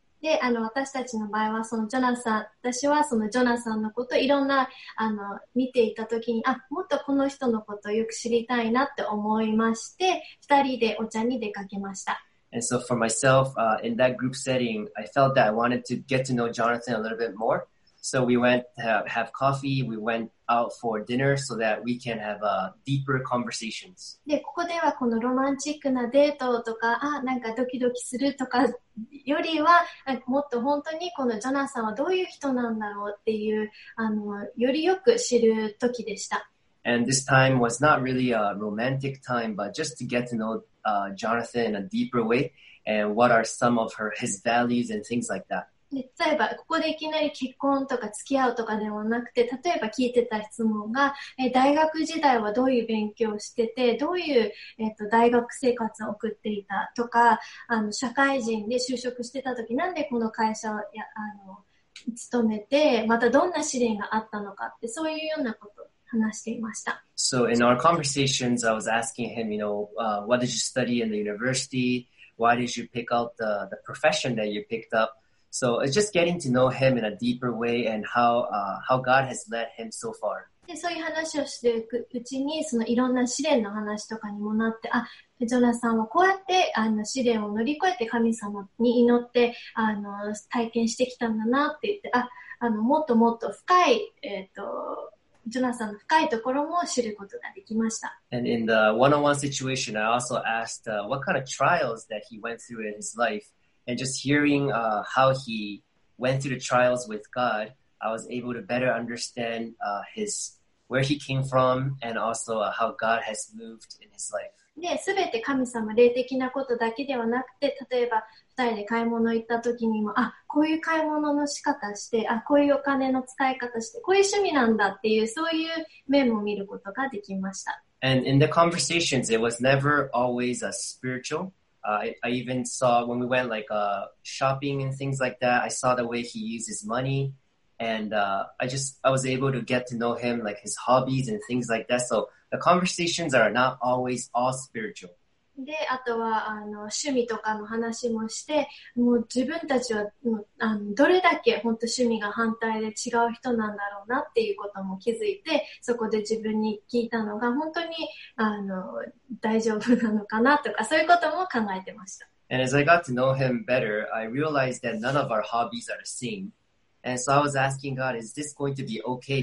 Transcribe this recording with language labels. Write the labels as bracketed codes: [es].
[ja] で、私たちの場合は、そのジョナサン、私はそのジョナサンのこといろんな、見ていたときに、あ、もっとこの人のことをよく知りたいなって思いまして、二人でお茶に出かけました。 [en] And so for myself, in that group setting, I felt that I wanted to get to know Jonathan a little bit more. So we went to have coffee, we went out for dinner so that we can have, deeper conversations. [ja] で、ここではこのロマンチックなデートとか、あ、なんかドキドキするとかよりは、もっと本当にこのジョナサンはどういう人なんだろうっていう、よりよく知る時でした。 [en] And this time was not really a romantic time, but just to get to know, Jonathan in a deeper way and what are some of his values and things like that. [ja] 例えば、ここでいきなり結婚とか付き合うとかではなくて、例えば聞いてた質問が、大学時代はどういう勉強をしてて、どういう、大学生活を送っていたとか、社会人で就職してた時、なんでこの会社をや、勤めて、またどんな試練があったのかって、そういうようなことを話していました。 [en] So in our conversations, I was asking him, you know, what did you study in the university? Why did you pick out the profession that you picked up? So it's just getting to know him in a deeper way and how God has led him so far. [ja] で、そういう話をしていくうちに、そのいろんな試練の話とかにもなって、あ、ジョナサンはこうやって試練を乗り越えて神様に祈って体験してきたんだなって言って、あ、もっともっと深いジョナサンの深いところも知ることができました。 [en] And in the one-on-one situation, I also asked, what kind of trials that he went through in his life. And just hearing, how he went through the trials with God, I was able to better understand, where he came from and also, how God has moved in his life. [ja] で、すべて神様、霊的なことだけではなくて、例えば、二人で買い物行った時にも、あ、こういう買い物の仕方して、あ、こういうお金の使い方して、こういう趣味なんだっていう、そういう面も見ることができました。 [en] And in the conversations, it was never always a spiritual. I even saw when we went like, shopping and things like that, I saw the way he uses money and, I was able to get to know him, like his hobbies and things like that. So the conversations are not always all spiritual. [ja] で、あとは、趣味とかの話もして、もう自分たちは、どれだけ本当趣味が反対で違う人なんだろうなっていうことも気づいて、そこで自分に聞いたのが本当に、大丈夫なのかなとか、そういうことも考えてました。 [en] And as I got to know him better, I realized that none of our hobbies are the same. And so I was asking God, is this going to be okay?